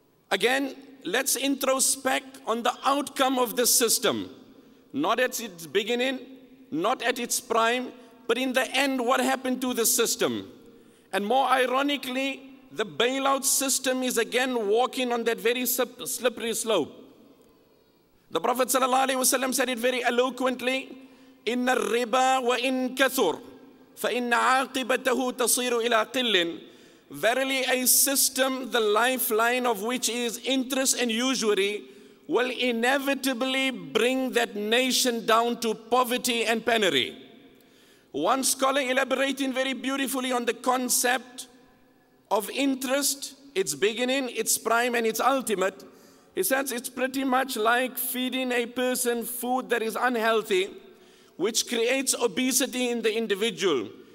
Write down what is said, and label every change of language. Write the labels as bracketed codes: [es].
[en] Again, let's introspect on the outcome of this system, not at its beginning, not at its prime, but in the end, what happened to the system? And more ironically, the bailout system is again walking on that very slippery slope. The Prophet ﷺ said it very eloquently, [ar] إِنَّ الرِّبَا وَإِنْ كَثُرْ فَإِنَّ عَاقِبَتَهُ تَصِيرُ إِلَىٰ قِلٍّ. [en] Verily, a system, the lifeline of which is interest and usury, will inevitably bring that nation down to poverty and penury. One scholar elaborating very beautifully on the concept of interest, its beginning, its prime, and its ultimate, he says it's pretty much like feeding a person food that is unhealthy, which creates obesity in the individual.